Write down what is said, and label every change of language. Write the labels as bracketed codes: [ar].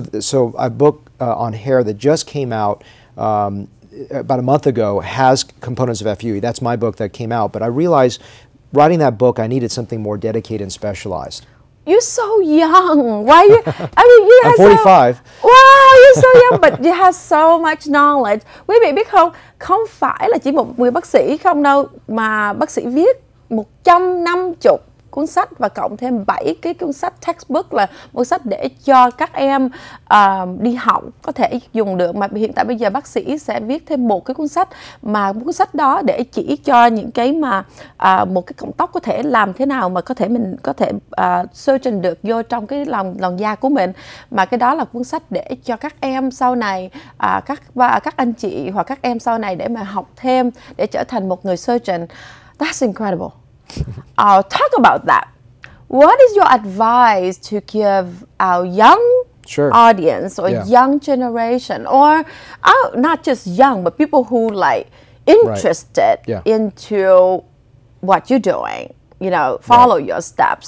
[en] So a book on hair that just came out about a month ago has components of FUE. That's my book that came out. But I realized writing that book, I needed something more dedicated and specialized. You're so young. Why are you? I mean, you have. I'm 45. Wow, you're so young, but you have so much knowledge. [vi] Quý vị biết không? Không phải là chỉ một người bác sĩ không đâu, mà bác sĩ viết 150 cuốn sách và cộng thêm 7 cái cuốn sách textbook, là một sách để cho các em đi học có thể dùng được. Mà hiện tại bây giờ bác sĩ sẽ viết thêm một cái cuốn sách, mà cuốn sách đó để chỉ cho những cái mà một cái cộng tóc có thể làm thế nào mà có thể mình có thể surgeon được vô trong cái lòng da của mình. Mà cái đó là cuốn sách để cho các em sau này, các anh chị hoặc các em sau này để mà học thêm để trở thành một người surgeon. [en] That's incredible. Talk about that. What is your advice to give our young audience or young generation, or not just young, but people who like interested into what you're doing, you know, follow your steps.